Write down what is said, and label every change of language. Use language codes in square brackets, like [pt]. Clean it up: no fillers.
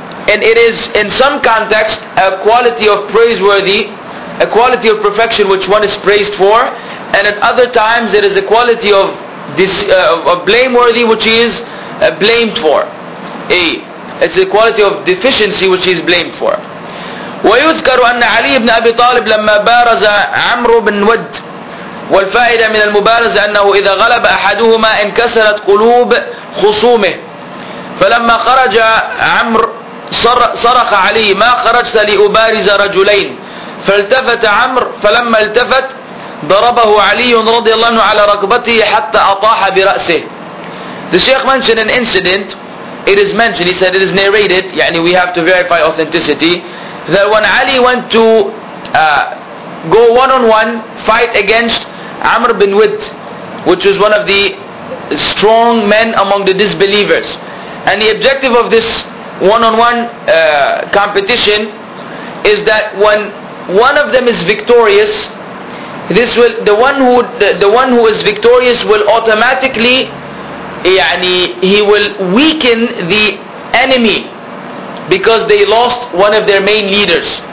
[en] And it is in some context a quality of praiseworthy, a quality of perfection which one is praised for, and at other times it is a quality of this of blameworthy which he is blamed for. A, it's a quality of deficiency which he is blamed for. [ar] ويذكر أن علي بن أبي طالب لما بارز عمرو بن ود, والفائدة من المبارزة أنه إذا غلب أحدهما انكسرت قلوب خصومه, فلما خرج عمرو صرخ علي ما خرجت لأبارز رجلين, فالتفت عمرو فلما التفت ضربه علي رضي الله عنه على ركبته حتى أطاح برأسه. [en] The Sheikh mentioned an incident, it is mentioned, he said it is narrated, يعني we have to verify authenticity, that when Ali went to go one on one fight against Amr bin Wid, which was one of the strong men among the disbelievers, and the objective of this one-on-one competition is that when one of them is victorious, this will the one who is victorious will automatically, يعني, he will weaken the enemy because they lost one of their main leaders.